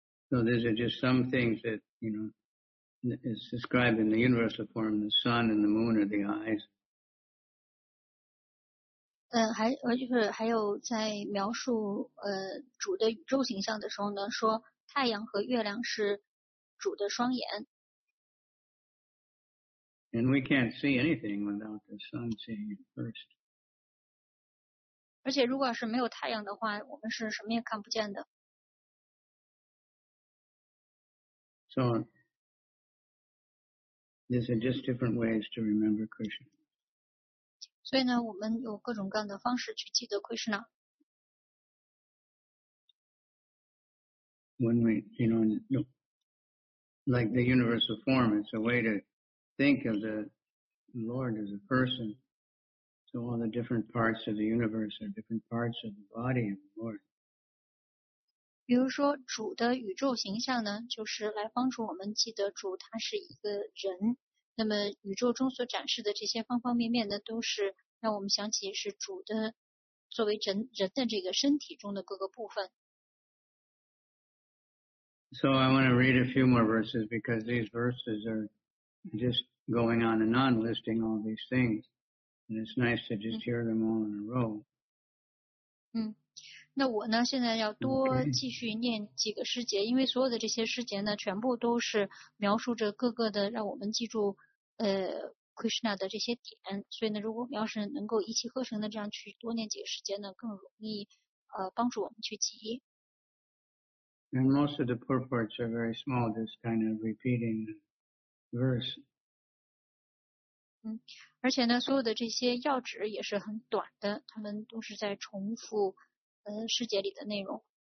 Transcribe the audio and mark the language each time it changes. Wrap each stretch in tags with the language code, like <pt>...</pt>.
<en>So these are just some things that, you know, is described in the universal form, the sun and the moon are the eyes.</en> <zh>还有在描述主的宇宙形象的时候呢，说太阳和月亮是主的双眼。</zh> <en>And we can't see anything without the sun seeing it first.</en> <zh>而且如果是没有太阳的话，我们是什么也看不见的。</zh> <en>So, these are just different ways to remember Krishna.</en> <zh>所以呢，我们有各种各样的方式去记得 Krishna。</zh> <en>When we, you know, like the universal form, it's a way to think of the Lord as a person. So all the different parts of the universe are different parts of the body of the Lord.</en> <zh>比如说，主的宇宙形象呢，就是来帮助我们记得主他是一个人。那么宇宙中所展示的这些方方面面呢，都是让我们想起是主的作为人的这个身体中的各个部分。</zh> <en>So I want to read a few more verses because these verses are just going on and on listing all these things. And it's nice to just hear them all in a row.</en> <zh>那我呢现在要多继续念几个诗节、</zh> <en>okay.</en> <zh>因为所有的这些诗节呢全部都是描述着各个的让我们记住Krishna 的这些点，所以呢如果我们要是能够一气呵成的这样去多念几个诗节呢更容易帮助我们去记忆。</zh> <en>And most of the purports are very small, just kind of repeating the verse.</en> <zh>而且呢所有的这些要旨也是很短的，他们都是在重复诗节里的内容。</zh>